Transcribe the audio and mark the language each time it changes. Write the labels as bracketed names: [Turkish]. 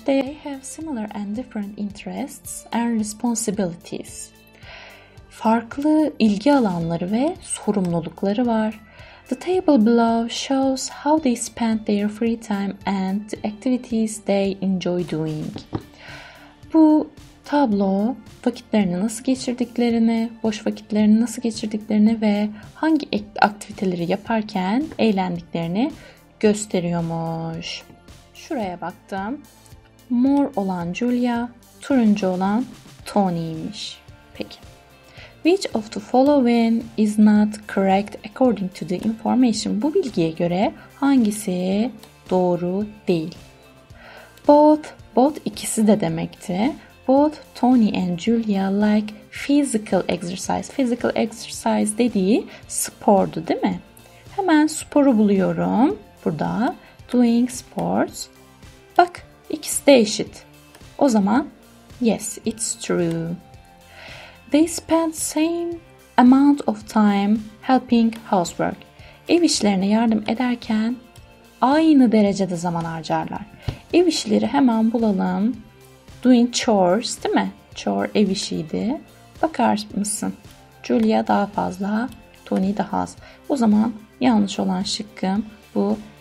[English] They have similar and different interests and responsibilities. [Turkish] Farklı ilgi alanları ve sorumlulukları var. [English] The table below shows how they spend their free time and the activities they enjoy doing. [Turkish] Bu tablo vakitlerini nasıl geçirdiklerini, boş vakitlerini nasıl geçirdiklerini ve hangi aktiviteleri yaparken eğlendiklerini gösteriyormuş. Şuraya baktım. Mor olan Julia, turuncu olan Tony'ymiş. Peki. [English] Which of the following is not correct according to the information? [Turkish] Bu bilgiye göre hangisi doğru değil? [English] Both [Turkish] ikisi de demekti. [English] Both Tony and Julia like physical exercise. [Turkish] Physical exercise dediği spordu, değil mi? Hemen sporu buluyorum burada. [English] Doing sports. [Turkish] Bak, ikisi de eşit. O zaman [English] yes, it's true. They spend same amount of time helping housework. [Turkish] Ev işlerine yardım ederken aynı derecede zaman harcarlar. Ev işleri hemen bulalım. [English] Doing chores, [Turkish] değil mi? Chore ev işiydi. Bakar mısın? Julia daha fazla, Tony daha az. O zaman yanlış olan şıkkım bu.